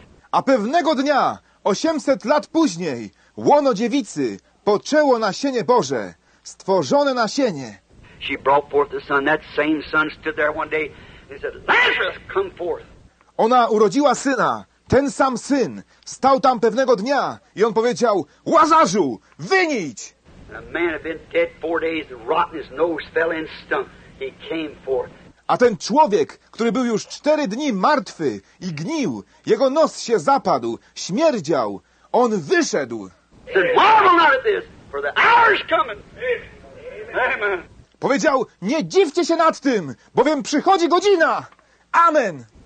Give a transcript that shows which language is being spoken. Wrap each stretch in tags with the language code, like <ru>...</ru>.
<pl>A pewnego dnia, 800 lat później, łono dziewicy poczęło nasienie Boże, stworzone nasienie.</pl> <en>She brought forth the son. That same son stood there one day and said, Lazarus, come forth.</en> <pl>Ona urodziła syna. Ten sam syn stał tam pewnego dnia i on powiedział, Łazarzu, wynidź!</pl> <en>And a man had been dead 4 days and rotten, his nose fell in stump. He came forth.</en> <pl>A ten człowiek, który był już 4 dni martwy i gnił, jego nos się zapadł, śmierdział, on wyszedł.</pl> <en>He said, marvel not at this, for the hour's coming. Amen.</en> <pl>Powiedział, nie dziwcie się nad tym, bowiem przychodzi godzina. Amen.</pl>